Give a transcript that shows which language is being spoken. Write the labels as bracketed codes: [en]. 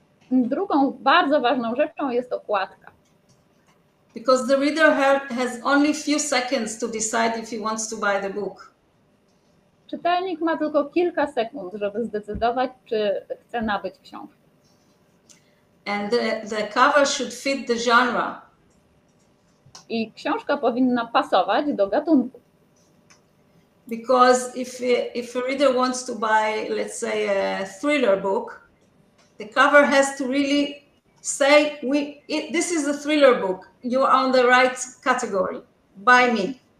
[pl] Drugą bardzo ważną rzeczą jest okładka. [en] Because the reader has only few seconds to decide if he wants to buy the book. [pl] Czytelnik ma tylko kilka sekund, żeby zdecydować, czy chce nabyć książkę. [en] And the cover should fit the genre. [pl] I książka powinna pasować do gatunku. [en] Because if a reader wants to buy, let's say, a thriller book, the cover has to really say, this is a thriller book, you are on the right category, buy me.